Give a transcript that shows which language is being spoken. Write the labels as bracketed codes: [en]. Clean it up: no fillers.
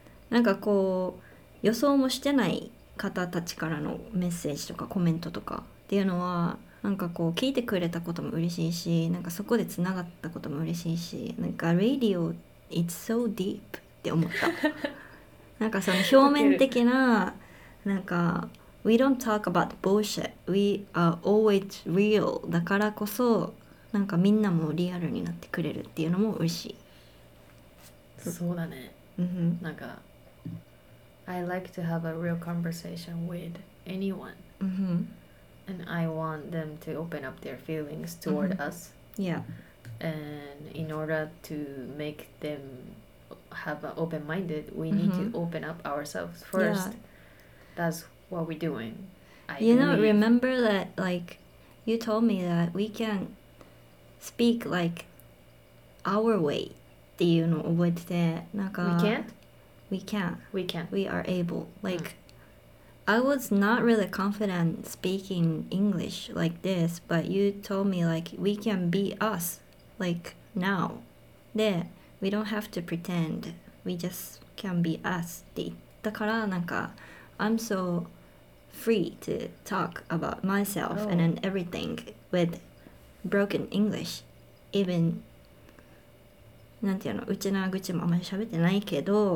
[ja] うん、なんかこう予想もしてない方たちからのメッセージとかコメントとかっていうのはなんかこう聞いてくれたことも嬉しいしなんかそこでつながったことも嬉しいしなんかラジオ [en] it's so deep [ja] って思ったなんかその表面的ななんか [en] We don't talk about bullshit. We are always real. [ja] だからこそなんかみんなもリアルになってくれるっていうのも嬉しい。そうだね。 Mm-hmm. なんか [en] I like to have a real conversation with anyone. Mm-hmm. And I want them to open up their feelings toward mm-hmm. us. Yeah. And in order to make them have an open minded, we mm-hmm. need to open up ourselves first. Yeah. That'sWhat are we doing? Remember that, like, you told me that we can speak, like, our way. [ja] っていうのを覚えてて、なんか [en] We can't? We can. We can. We are able. Like,、mm. I was not really confident speaking English like this, but you told me, like, we can be us, like, now. [ja] で、 [en] we don't have to pretend. We just can be us. [ja] って言ったから、なんか [en] I'm so... free to talk about myself、oh. and then everything with broken English even [ja] なんていうのうちの口もあまり喋ってないけど、